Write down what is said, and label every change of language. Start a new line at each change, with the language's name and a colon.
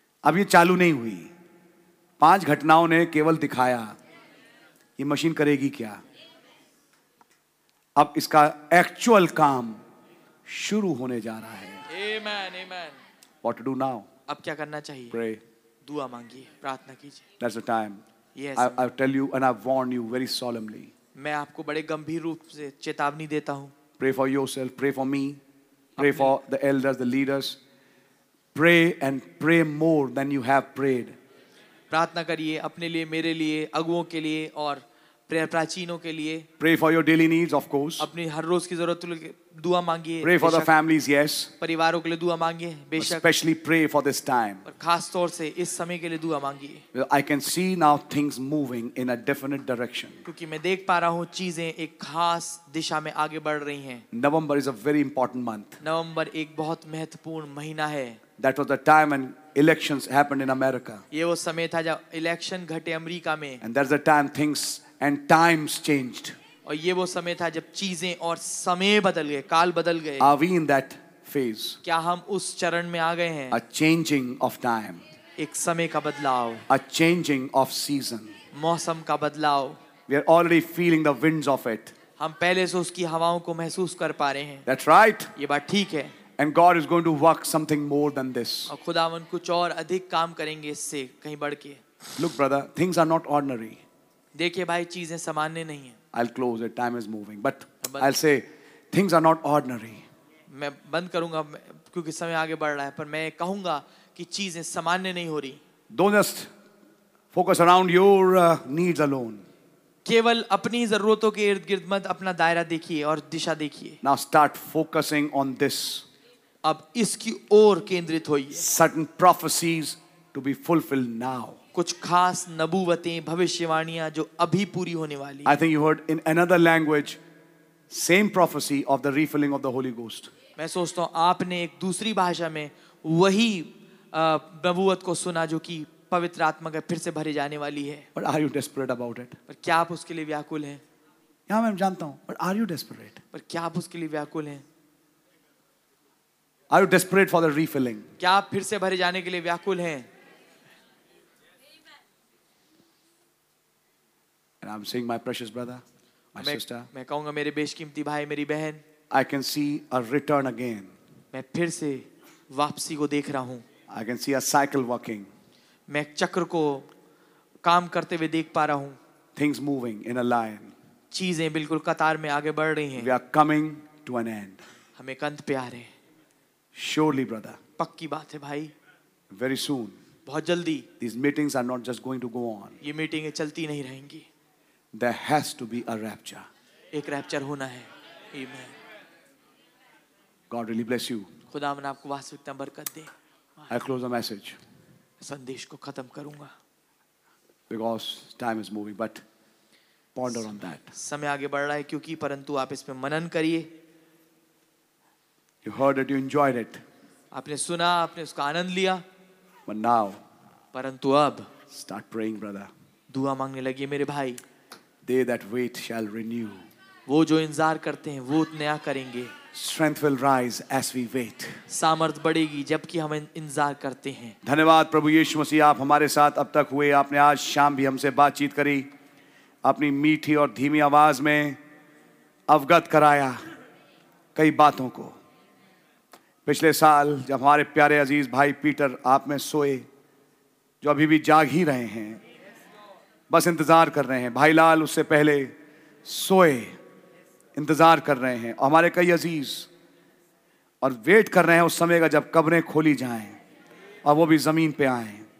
Hindi: अब ये चालू नहीं हुई, 5 घटनाओं ने केवल दिखाया ये मशीन करेगी क्या। अब इसका एक्चुअल काम शुरू होने जा रहा है। आमेन, आमेन।
English: What to do now?
Hindi: अब क्या करना चाहिए?
English: Pray.
Hindi: दुआ मांगिए, प्रार्थना कीजिए।
English: That's the time. Yes. I tell you and I warn you very solemnly.
Hindi: मैं आपको बड़े गंभीर रूप से चेतावनी देता हूँ।
English: Pray for yourself. Pray for me. Pray for the elders, the leaders. Pray and pray more than you have prayed.
Hindi: प्रार्थना करिए अपने लिए, मेरे लिए, अगुओं के लिए और प्राचीनों के लिए।
English: Pray for your daily needs, of course.
Hindi: अपनी हर रोज की जरूरत के दुआ मांगिए।
English: Pray for the families, yes.
Hindi: परिवारों के लिए दुआ मांगिए, बेशक।
English: Especially pray for this time.
Hindi: खास तौर से इस समय के लिए दुआ मांगिए।
English: I can see now things moving in a definite direction.
Hindi: क्योंकि मैं देख पा रहा हूँ चीजें एक खास दिशा में आगे बढ़ रही हैं।
English: November is a very important month.
Hindi: नवंबर एक बहुत महत्वपूर्ण महीना है।
English: That was the time when elections happened in America.
Hindi: ये वो समय था जब इलेक्शन घटे अमेरिका में।
English: And that's the time things and times changed.
Hindi: और ये वो समय था जब चीजें और समय बदल गए, काल बदल गए।
English: Are we in that phase?
Hindi: क्या हम उस चरण में आ गए हैं?
English: A changing of time.
Hindi: एक समय का बदलाव।
English: A changing of season.
Hindi: मौसम का बदलाव।
English: We are already feeling the winds of it.
Hindi: हम पहले से उसकी हवाओं को महसूस कर पा रहे हैं।
English: That's right.
Hindi: ये बात ठीक है।
English: And God is going to work something more than this.
Hindi: और खुदावन कुछ और अधिक काम करेंगे इससे कहीं बढ़ के।
English: Look, brother, things are not ordinary.
Hindi: देखिए भाई चीजें सामान्य नहीं है।
English: I'll close it. Time is moving, but I'll say things are not ordinary.
Hindi: मैं बंद करूंगा क्योंकि समय आगे बढ़ रहा है, पर मैं कहूंगा कि चीजें सामान्य नहीं हो रही।
English: Don't just focus around your needs alone.
Hindi: केवल अपनी जरूरतों के इर्द गिर्द मत अपना दायरा देखिए और दिशा देखिए।
English: Now start focusing on this.
Hindi: अब इसकी ओर केंद्रित होइए।
English: Certain prophecies to be fulfilled now.
Hindi: कुछ खास नबूवतें, भविष्यवाणियां जो अभी पूरी होने वाली।
English: I think you heard in another language same prophecy of the refilling of the Holy Ghost.
Hindi: मैं सोचता हूं आपने एक दूसरी भाषा में वही नबूवत को सुना जो कि पवित्र आत्मा के फिर से भरे जाने वाली है।
English: But are you desperate about it?
Hindi: पर क्या आप उसके लिए व्याकुल हैं?
English: Yeah,
Hindi: मैं जानता हूं,
English: but are you desperate?
Hindi: पर क्या आप उसके लिए व्याकुल हैं?
English: Are you desperate for the refilling?
Hindi: क्या आप फिर से भरे जाने के लिए व्याकुल हैं?
English: And I'm seeing my precious brother, my sister.
Hindi: मैं कहूँगा मेरे बेशकीमती भाई, मेरी बहन।
English: I can see a return again.
Hindi: मैं फिर से वापसी को देख रहा हूँ।
English: I can see a cycle working.
Hindi: मैं चक्र को काम करते हुए देख पा रहा हूँ।
English: Things moving in a line.
Hindi: चीजें बिल्कुल कतार में आगे बढ़ रही हैं।
English: We are coming to an end.
Hindi: हमें अंत पे आ रहे हैं।
English: Surely, brother.
Hindi: पक्की बात है भाई।
English: Very soon.
Hindi: बहुत जल्दी।
English: These meetings are not just going to go on.
Hindi: ये मीटिंगें चलती नहीं रहेंगी।
English: There has to be a rapture.
Hindi: एक रैप्चर होना है। Amen.
English: God really bless you.
Hindi: खुदा मन आपको वास्तविकता बरकत दे।
English: I close the message.
Hindi: संदेश को खत्म करूंगा।
English: Because time is moving, but ponder on that.
Hindi: समय आगे बढ़ रहा है क्योंकि, परंतु आप इसमें मनन करिए।
English: You heard it, you enjoyed it.
Hindi: आपने सुना, आपने उसका आनंद लिया।
English: But now.
Hindi: परंतु अब।
English: Start praying, brother.
Hindi: दुआ मांगने लगिए मेरे भाई।
English: They that wait shall renew.
Hindi: वो जो इंतजार करते हैं वो नया करेंगे.
English: Strength will rise as we wait.
Hindi: सामर्थ बढ़ेगी जबकि हम इंतजार करते हैं. धन्यवाद प्रभु यीशु मसीह, आप हमारे साथ अब तक हुए, आपने आज शाम भी हमसे बातचीत करी, अपनी मीठी और धीमी आवाज में अवगत कराया कई बातों को. पिछले साल जब हमारे प्यारे अजीज भाई पीटर आप में सोए, जो अभी भी जाग ही रहे हैं, बस इंतजार कर रहे हैं, भाई लाल उससे पहले सोए इंतजार कर रहे हैं, और हमारे कई अजीज और वेट कर रहे हैं उस समय का जब कब्रें खोली जाएं और वो भी जमीन पे आए.